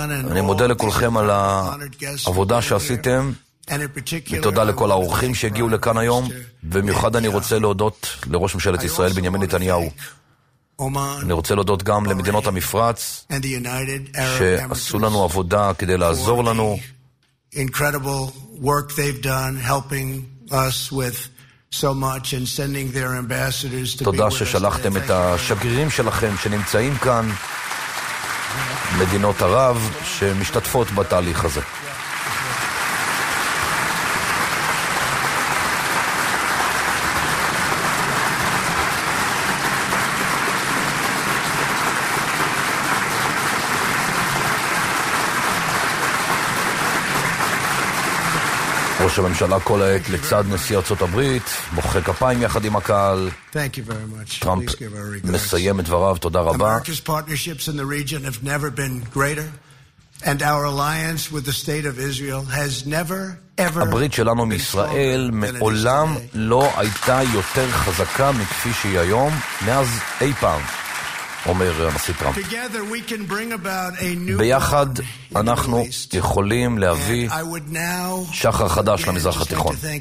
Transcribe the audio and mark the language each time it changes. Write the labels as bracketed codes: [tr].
[he] אני מודה לכולכם על העבודה שעשיתם, ותודה לכל האורחים שהגיעו לכאן היום, ובמיוחד אני רוצה להודות לראש ממשלת ישראל בנימין נתניהו. אני רוצה להודות גם למדינות המפרץ, שעשו לנו עבודה כדי לעזור לנו. [en] Incredible work they've done helping us with so much and sending their ambassadors to [he] תודה ששלחתם את השגרירים שלכם שנמצאים כאן מדינות ערב שמשתתפות בתהליך הזה. ראש הממשלה כל העת לצד נשיא ארצות הברית, מוחא כפיים יחד עם הקהל. טראמפ מסיים את דבריו, תודה רבה. [en] America's partnerships in the region have never been greater, and our alliance with the state of Israel has never ever [he] הברית שלנו עם ישראל מעולם לא הייתה יותר חזקה מכפי שהיא היום, מאז אי פעם, אומר הנשיא טראמפ. [en] Together we can bring about a new [he] ביחד אנחנו יכולים להביא שחר חדש למזרח התיכון.